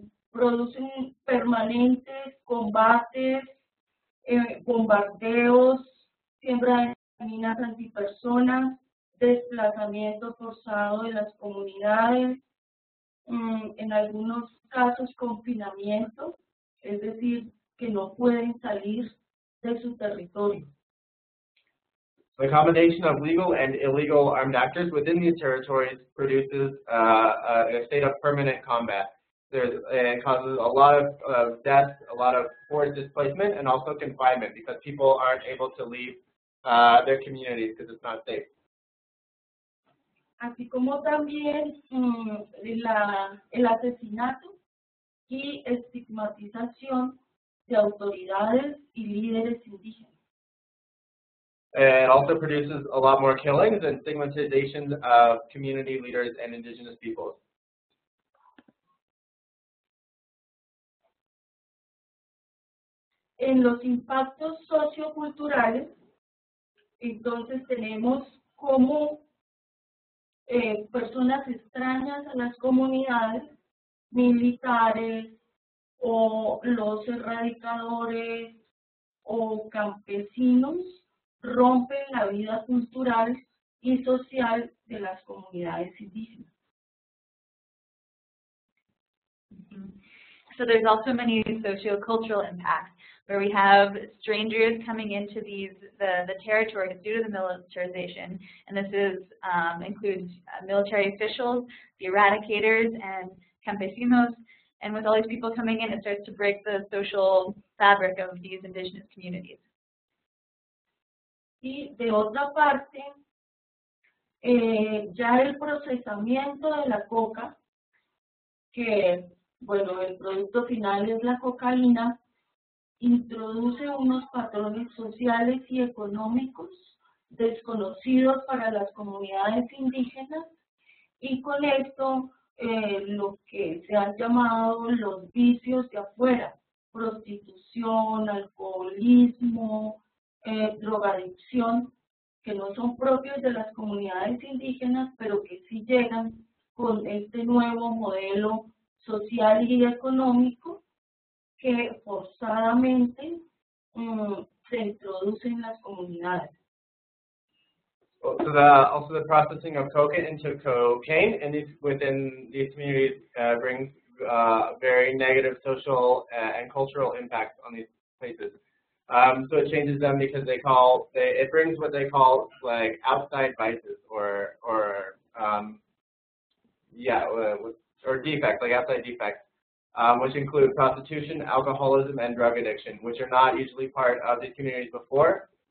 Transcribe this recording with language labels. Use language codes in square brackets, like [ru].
[es] producen permanentes combates, bombardeos, siembra de minas antipersonas, desplazamiento forzado de las comunidades, en algunos casos confinamiento, es decir, que no pueden salir de su territorio. [en] The combination of legal and illegal armed actors within these territories produces a state of permanent combat. It causes a lot of death, a lot of forced displacement, and also confinement because people aren't able to leave their communities because it's not safe. [es] Así como también el asesinato y estigmatización de autoridades y líderes indígenas. [en] It also produces a lot more killings and stigmatization of community leaders and indigenous peoples. [es] En los impactos socioculturales, entonces tenemos como personas extrañas a las comunidades, militares o los erradicadores o campesinos, rompen la vida cultural y social de las comunidades indígenas. [en] So there's also many sociocultural impacts where we have strangers coming into the territories due to the militarization, and this is includes military officials, the eradicators, and campesinos. And with all these people coming in, it starts to break the social fabric of these indigenous communities. [es] Y de otra parte, ya el procesamiento de la coca, que, bueno, el producto final es la cocaína, introduce unos patrones sociales y económicos desconocidos para las comunidades indígenas, y con esto lo que se han llamado los vicios de afuera, prostitución, alcoholismo, drogadicción, que no son propios de las comunidades indígenas, pero que sí llegan con este nuevo modelo social y económico que forzadamente se introduce en las comunidades. [en] Well, so also the processing of coca into cocaine and within these communities brings very negative social and cultural impacts on these places. So it changes them because it brings what they call like outside vices or defects, like outside defects, which include prostitution, alcoholism, and drug addiction, which are not usually part of these communities before.